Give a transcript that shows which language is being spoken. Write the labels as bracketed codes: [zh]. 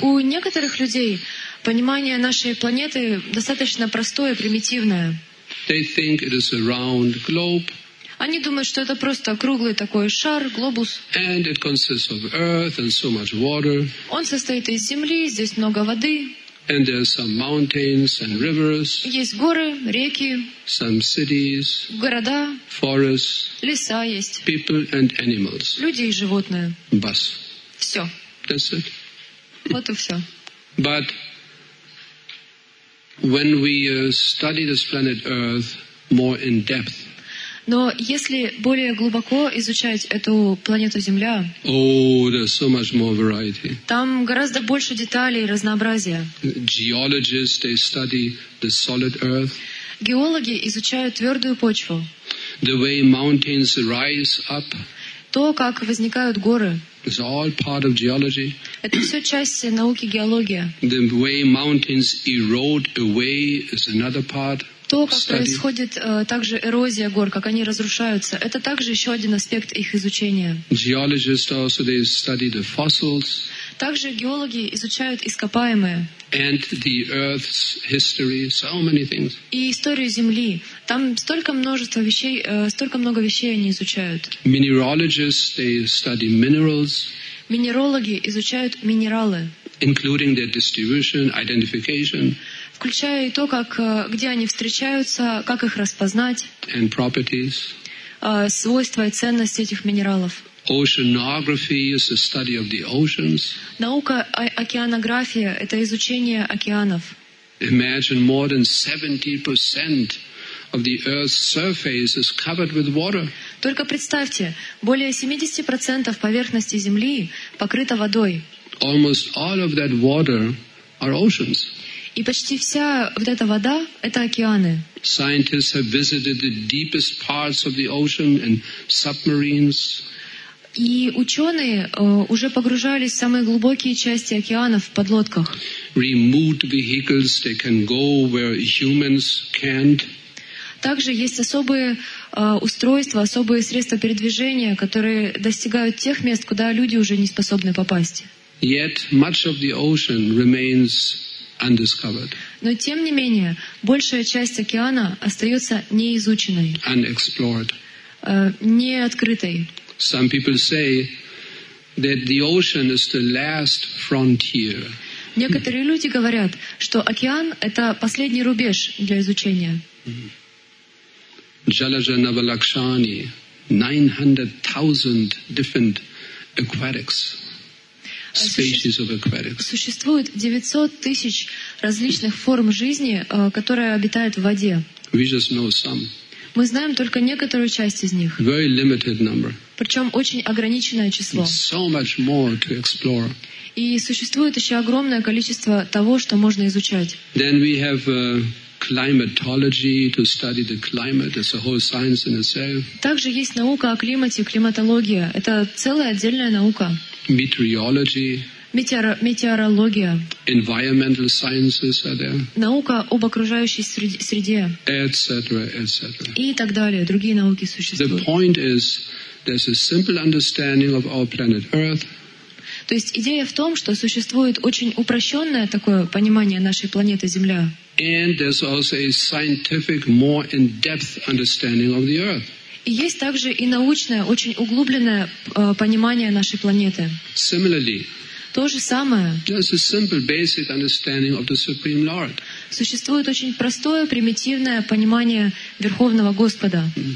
[ru] У некоторых людей понимание нашей планеты достаточно простое, примитивное. [en] They think it is a round globe. [ru] Они думают, что это просто круглый такой шар, глобус. [en] And it consists of earth and so much water. [ru] Он состоит из земли, здесь много воды. [en] And there are some mountains and rivers. [ru] Есть горы, реки. [en] Some cities. [ru] Города. [en] Forests. [ru] Леса есть. [en] People and animals. [ru] Люди и животные. [hi] Бас. [ru] Все. [en] That's it. [ru] Вот и все. [en] But when we study this planet Earth more in depth. [ru] Но если более глубоко изучать эту планету Земля, [en] there's so much more variety. [ru] Там гораздо больше деталей и разнообразия. [en] Geologists, they study the solid earth. [ru] Геологи изучают твердую почву. [en] The way mountains rise up. [ru] То, как возникают горы. [en] It's all part of geology. [ru] Это все часть науки геология. [en] The way mountains erode away is another part. [ru] То, как происходит также эрозия гор, как они разрушаются, это также еще один аспект их изучения. [en] Geologists also they study the fossils. [ru] Также геологи изучают ископаемые. [en] And the Earth's history, so many things. [ru] И историю Земли. Там столько множества вещей, столько много вещей они изучают. [en] Mineralogists they study minerals. [ru] Минералоги изучают минералы. [en] Including their distribution, identification. [ru] Включая и то, как, где они встречаются, как их распознать. [en] And properties. [ru] Свойства и ценность этих минералов. [en] Oceanography is the study of the oceans. [ru] Наука океанография — это изучение океанов. [en] Imagine more than 70% of the Earth's surface is covered with water. [ru] Только представьте, более 70% поверхности Земли покрыто водой. [en] Almost all of that water are oceans. [ru] И почти вся вот эта вода — это океаны. [en] Scientists have visited the deepest parts of the ocean in submarines. [ru] И ученые уже погружались в самые глубокие части океанов в подлодках. [en] Remote vehicles, they can go where humans can't. [ru] Также есть особые устройства, особые средства передвижения, которые достигают тех мест, куда люди уже не способны попасть. [en] Yet much of the ocean remains undiscovered. [ru] Но тем не менее, большая часть океана остается неизученной. [en] Unexplored. [ru] Неоткрытой. [en] Some people say that the ocean is the last frontier. [ru] Некоторые люди говорят, что океан это последний рубеж для изучения. [sa] Jalaja Navalakshani, [en] 900,000 different aquatics, species of aquatics. [ru] Существует 900,000 различных форм жизни, которые обитают в воде. [en] We just know some. [ru] Мы знаем только некоторую часть из них. [en] Very limited number. [ru] Причем очень ограниченное число. [en] So much more to explore. [ru] И существует еще огромное количество того, что можно изучать. [en] Then we have climatology to study the climate. It's a whole science in itself. [ru] Также есть наука о климате, климатология. Это целая отдельная наука. [en] Meteorology. [ru] Метеорология. [en] Environmental sciences are there. [ru] Наука об окружающей среде. [en] Etc. Etc. [ru] И так далее. Другие науки существуют. [en] The point is, there's a simple understanding of our planet Earth. [ru] То есть идея в том, что существует очень упрощенное такое понимание нашей планеты Земля. [en] And there's also a scientific, more in-depth understanding of the Earth. [ru] И есть также и научное, очень углубленное понимание нашей планеты. [en] Similarly. [ru] То же самое. [en] There's a simple, basic understanding of the Supreme Lord. [ru] Существует очень простое, примитивное понимание Верховного Господа.